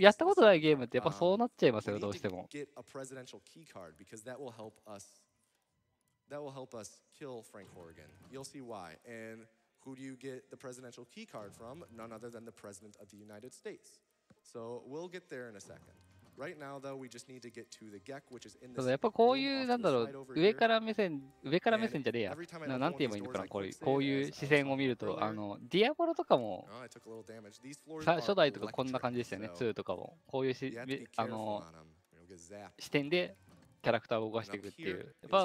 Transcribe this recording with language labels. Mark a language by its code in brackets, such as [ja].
[ja] やったことないゲームってやっぱそうなっちゃいますよ、どうしても。 [en] Get a presidential key card because that will help us. That will help us kill Frank Horrigan. You'll see why and. Who do you get the presidential key card from? None other than the president of the United States. So we'll get there in a second. Right now, though, we just need to get to the Gek, which is in this. [ja] やっぱこういうなんだろう上から目線じゃねえや。なんて言えばいいのかな。こういう視線を見るとあのディアボロとかも初代とかこんな感じでしたよね。2とかもこういうしあの視点でキャラクターを動かしていくっていう。